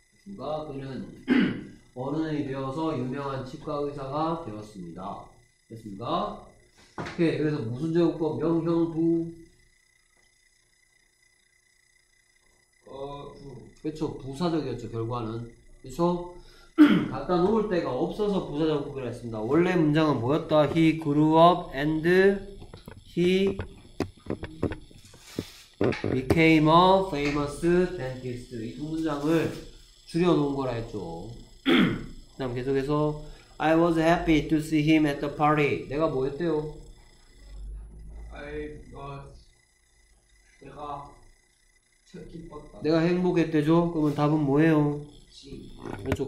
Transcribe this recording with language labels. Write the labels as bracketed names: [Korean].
[Korean] 누가 그는 어른이 되어서 유명한 치과 의사가 되었습니다. 됐습니다. 오케이. 그래서 무슨 제목법 명형 부? 부. 그쵸. 부사적이었죠, 결과는. 그쵸. 갖다 놓을 데가 없어서 부사적법이라 했습니다. 원래 문장은 뭐였다? [English] He grew up and he became a famous dentist. [Korean] 이 두 문장을 줄여놓은 거라 했죠. 그 다음 계속해서 [English] I was happy to see him at the party. [Korean] 내가 뭐 했대요? [English] I was [Korean] 내가 기뻤다. 내가 행복했대죠? 그러면 답은 뭐예요? 그렇죠.